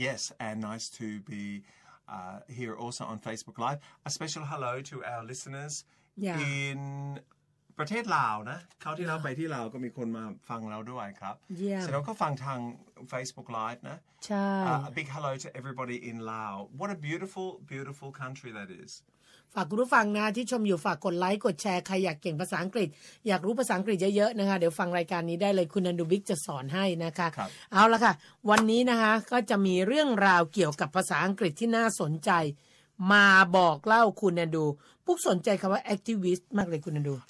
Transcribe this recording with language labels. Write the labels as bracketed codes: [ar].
[en] Yes, and nice to be here also on Facebook Live. A special hello to our listeners in... [th] ประเทศลาวนะเขาที่เราไปที่ลาวก็มีคนมาฟังเราด้วยครับเสร็ จแล้วก็ฟังทาง Facebook Live นะ ใช่ [en] big hello to everybody in Lao what a beautiful beautiful country that is [th] ฝากคุณผู้ฟังนะที่ชมอยู่ฝากกดไลค์กดแชร์ใครอยากเก่งภาษาอังกฤษอยากรู้ภาษาอังกฤษเยอะๆนะคะเดี๋ยวฟังรายการนี้ได้เลยคุณนันดูบิ๊กจะสอนให้นะคะเอาละค่ะวันนี้นะคะก็จะมีเรื่องราวเกี่ยวกับภาษาอังกฤษที่น่าสนใจมาบอกเล่าคุณนันดูพวกสนใจคำว่า activist มากเลยคุณนันดู